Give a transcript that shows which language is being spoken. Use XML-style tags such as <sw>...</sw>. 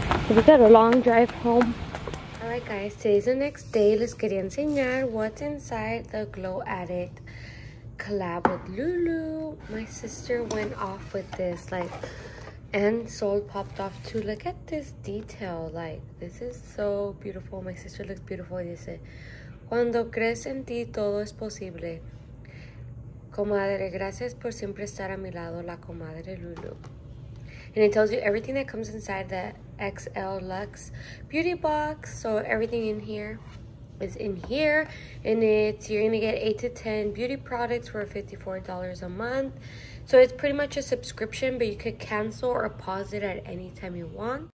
<en>We got a long drive home. Alright guys, today's the next day.</en> <es>Les quería enseñar</es> <en>what's inside the Glow Addict collab with Lulu. My sister went off with this, like, and soul popped off too. Look at this detail. Like, this is so beautiful. My sister looks beautiful.</en> <es>Dice, cuando crees en ti, todo es posible. Comadre, gracias por siempre estar a mi lado, la comadre Lulu.</es> <en>And it tells you everything that comes inside the XL Luxe Beauty Box. So everything in here is in here. And it's, you're going to get 8 to 10 beauty products for $54 a month. So it's pretty much a subscription, but you could cancel or pause it at any time you want.</en>